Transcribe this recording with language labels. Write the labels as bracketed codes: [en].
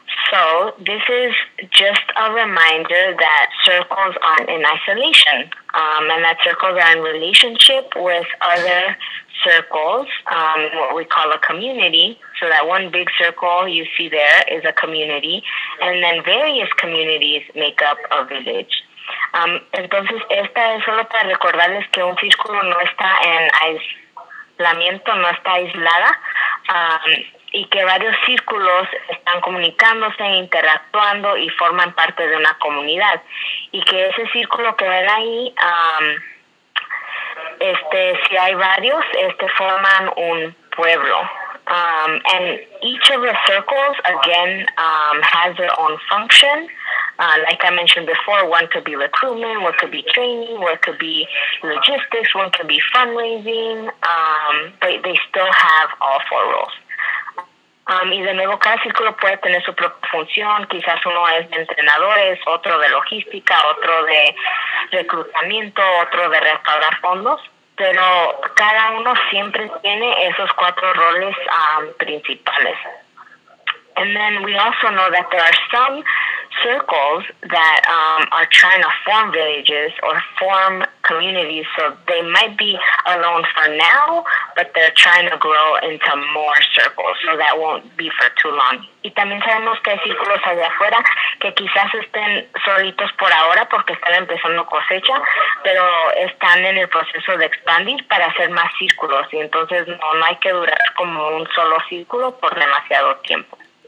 [en] So, this is just a reminder that circles aren't in isolation, and that circles are in relationship with other circles, what we call a community. So that one big circle you see there is a community, and then various communities make up a village. [es] Entonces, esta es solo para recordarles que un círculo no está en aislamiento, no está aislada, y que varios círculos están comunicándose, interactuando y forman parte de una comunidad. Y que ese círculo que ven ahí, si hay varios, forman un pueblo. [en] And each of the circles, again, has their own function. Like I mentioned before, one could be recruitment, one could be training, one could be logistics, one could be fundraising, but they still have all four roles. [es] Y de nuevo, cada círculo puede tener su propia función. Quizás uno es de entrenadores, otro de logística, otro de reclutamiento, otro de recaudar fondos. Pero cada uno siempre tiene esos cuatro roles principales. [en] And then we also know that there are some circles that are trying to form villages or form communities. So they might be alone for now, but they're trying to grow into more circles. So that won't be for too long. [es] Y también sabemos que hay círculos allá afuera que quizás estén solitos por ahora porque están empezando cosecha, pero están en el proceso de expandir para hacer más círculos. Y entonces no hay que durar como un solo círculo por demasiado tiempo.